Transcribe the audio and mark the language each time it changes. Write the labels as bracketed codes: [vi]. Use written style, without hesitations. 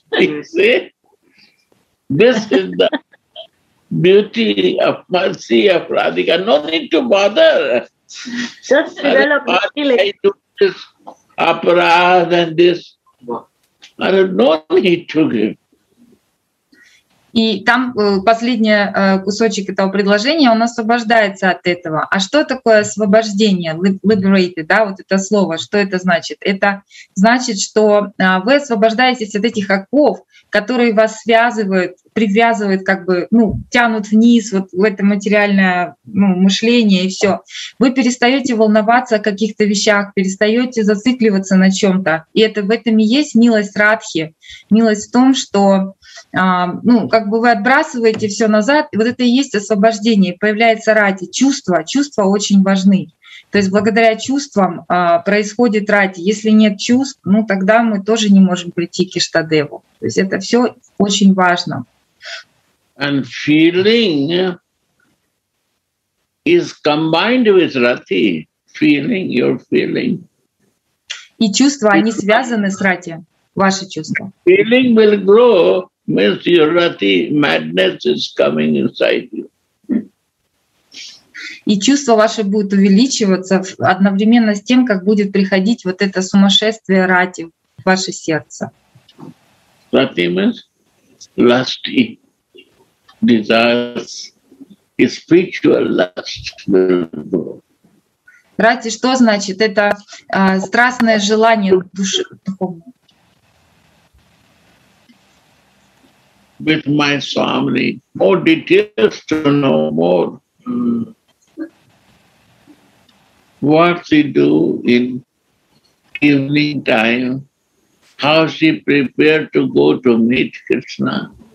[en] You see, this is the beauty of mercy of Radhika. No need to bother. Just develop feeling. I do this aparad and this. No need to give. [ru] И там последний кусочек этого предложения, он освобождается от этого. А что такое освобождение, liberated, да, вот это слово, что это значит? Это значит, что вы освобождаетесь от этих оков, которые вас связывают, привязывают, как бы, ну, тянут вниз, вот в это материальное, ну, мышление и все. Вы перестаете волноваться о каких-то вещах, перестаете зацикливаться на чем-то. И это, в этом и есть милость Радхи. Милость в том, что ну, как бы вы отбрасываете все назад, и вот это и есть освобождение, появляется рати, чувства. Чувства очень важны. То есть благодаря чувствам происходит рати. Если нет чувств, ну тогда мы тоже не можем прийти к Иштадеву. То есть это все очень важно. [en] And feeling is combined with rati. Feeling, your feeling. [ru] И чувства, они связаны с рати, ваши чувства. [en] Feeling will grow. Means your rati madness is coming inside you. [ru] И чувство ваше будет увеличиваться одновременно с тем, как будет приходить вот это сумасшествие рати в ваше сердце. [en] Rati means lusty desires, spiritual lust. [ru] Рати что значит? Это страстное желание души духовной. [en] With my family, more details to know more. What she do in evening time? How she prepare to go to meet Krishna?